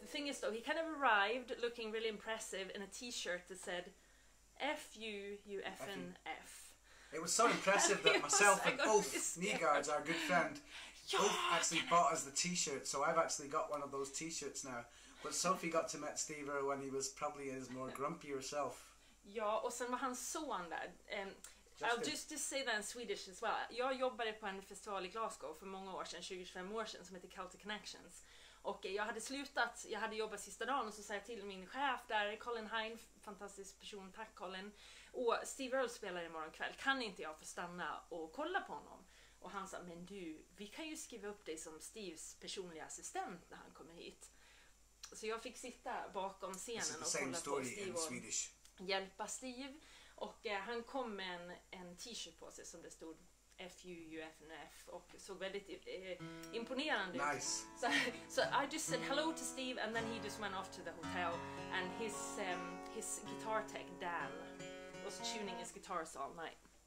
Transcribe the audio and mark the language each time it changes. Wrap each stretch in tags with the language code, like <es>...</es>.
<en>The thing is, though, he kind of arrived looking really impressive in a t-shirt that said, F you, you effing F. It was so impressive that myself and both Kneeguards, our good friend, both actually bought us the t-shirt, so I've actually got one of those t-shirts now. But Sophie got to meet Steve Earle when he was probably his more grumpier self.</en> <sv>Ja, och sen var han så andad.</sv> <en>I'll just say that in Swedish as well.</en> <sv>Jag jobbade på en festival i Glasgow för många år sedan, 25 år sedan, som heter Celtic Connections. Och jag hade slutat, jag hade jobbat sista dagen, och så sa jag till min chef där, Colin Hein, fantastisk person, tack Colin. Och Steve Earle spelar imorgon kväll, kan inte jag få stanna och kolla på honom? Och han sa, men du, vi kan ju skriva upp dig som Steves personliga assistent när han kommer hit. Så jag fick sitta bakom scenen och kolla på Steve och hjälpa Steve. Och han kom med en t-shirt på sig som det stod F-U-U-F-N-F och såg väldigt imponerande ut.</sv> <en>Nice. So I just said hello to Steve, and then he just went off to the hotel, and his guitar tech Dan was tuning his guitars all night.</en>